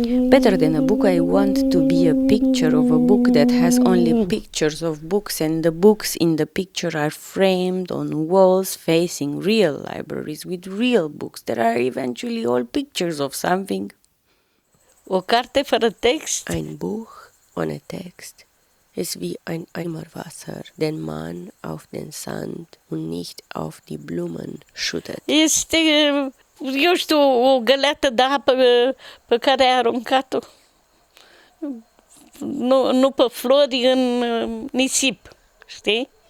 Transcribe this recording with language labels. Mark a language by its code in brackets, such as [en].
[en] Better than a book, I want to be a picture of a book that has only pictures of books, and the books in the picture are framed on walls facing real libraries with real books that are eventually all pictures of something. [ro] O carte fără text? [de] Ein Buch ohne Text ist wie ein Eimerwasser, den man auf den Sand und nicht auf die Blumen schüttet. [ro] Ist eu știu, o găleată de apă pe care ai aruncat-o, nu pe flori, în nisip, știi?